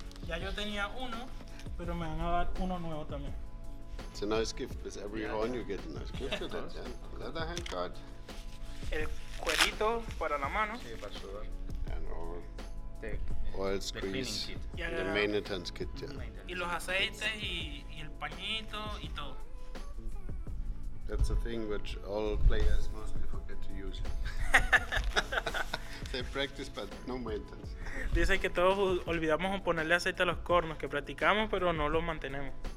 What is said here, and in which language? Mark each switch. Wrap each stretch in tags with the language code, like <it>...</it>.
<es>Ya yo tenía uno, pero me van a dar uno nuevo también.</es> <en>It's a nice gift. With every horn you get a nice gift. Yeah, that, leather hand guard.</en> <es>El cuerito para la mano. Sí, para sudar.</es> <en>And all oil screens. The cleaning kit. The maintenance kit, yeah.</en> <es>Y los aceites y el pañito y todo.</es> <en>That's a thing which all players mostly forget to use. They practice, but no maintenance.</en> <es>Dicen que todos olvidamos ponerle aceite a los cornos, que practicamos, pero no los mantenemos.</es>